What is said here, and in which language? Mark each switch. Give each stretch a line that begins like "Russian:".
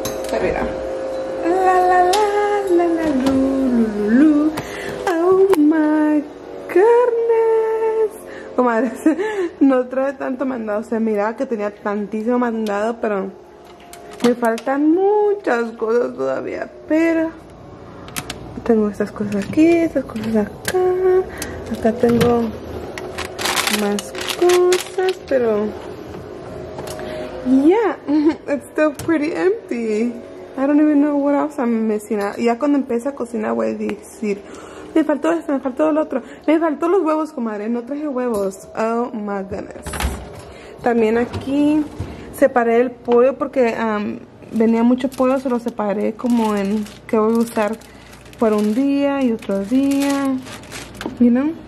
Spanish: Pero mira. La la la la la lu lu lu.
English: Oh my goodness.
Spanish: Comadres, no trae tanto mandado. O sea, miraba que tenía tantísimo mandado, pero me faltan muchas cosas todavía. Pero tengo estas cosas aquí, estas cosas acá.
English: Acá tengo más cosas, pero yeah, it's still pretty empty. I don't even know what else I'm missing out.
Spanish: Ya cuando empiece a cocinar voy a decir, me faltó esto, me faltó el otro, me faltó los huevos, comadre, no traje huevos. Oh my goodness. También aquí separé el pollo porque venía mucho pollo, se lo separé como en que voy a usar por un día y otro día, you know.